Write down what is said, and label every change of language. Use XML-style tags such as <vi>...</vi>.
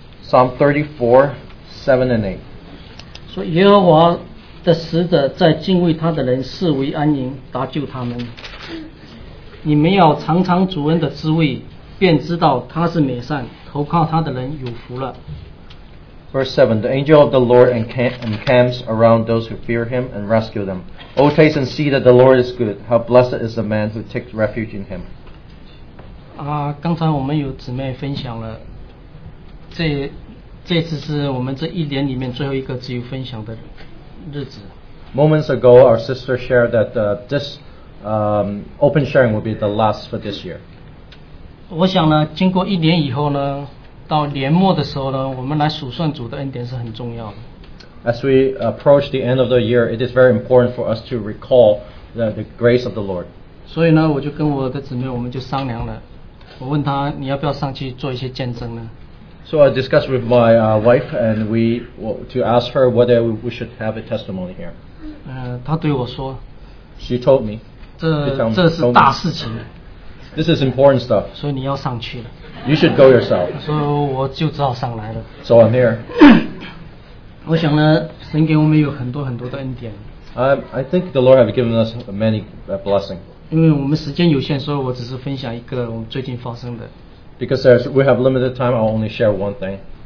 <en>Psalm 34, 7 and 8.</en> <zh>所以耶和华的使者在敬畏他的人视为安宁，搭救他们。你们要尝尝主恩的滋味，便知道他是美善，投靠他的人有福了。</zh> <en>Verse 7. The angel of the Lord encamps around those who fear him and rescue them. O taste and see that the Lord is good. How blessed is the man who takes refuge in him.</en> <zh>刚才我们有姊妹分享了，这次是我们这一年里面最后一个自由分享的日子。</zh> <en>Moments ago, our sister shared that this open sharing will be the last for this year.</en> <zh>我想呢，经过一年以后呢，到年末的时候呢，我们来数算主的恩典是很重要的。</zh> <en>As we approach the end of the year, it is very important for us to recall the grace of the Lord.</en> <zh>所以呢，我就跟我的姊妹，我们就商量了。我问她，你要不要上去做一些见证呢？</zh> <en>So I discussed with my wife and we to ask her whether we should have a testimony here.</en> <zh>她对我说,</zh> <en>she told me,</en> <zh>这是大事情。</zh> <en>This is important stuff.</en> <zh>所以你要上去了。</zh> <en>You should go yourself.</en> <zh>所以我就只好上来了。</zh> <en>So I'm here.</en> <zh>我想呢，神给我们有很多很多的恩典。</zh> <en>I think the Lord has given us many blessings.</en> <zh>因为我们时间有限，所以我只是分享一个我们最近发生的。</zh> <en>Because we have limited time, I'll only share one thing.</en>